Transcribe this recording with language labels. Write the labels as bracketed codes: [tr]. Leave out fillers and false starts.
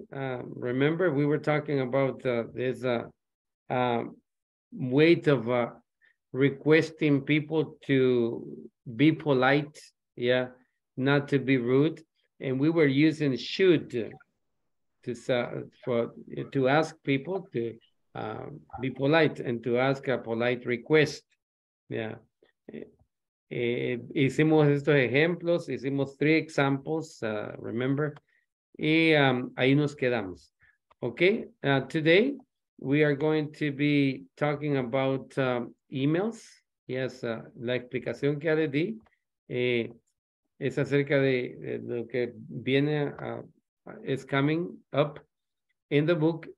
[en] Remember, we were talking about there's a way of requesting people to be polite, yeah, not to be rude, and we were using should to ask people to be polite and to ask a polite request, yeah. [es] Hicimos estos ejemplos, hicimos [en] 3 examples, remember, [es] y ahí nos quedamos. [en] Okay, today we are going to be talking about emails. [es] Yes, la explicación que ya le di es acerca de lo que viene, [en] is coming up in the book.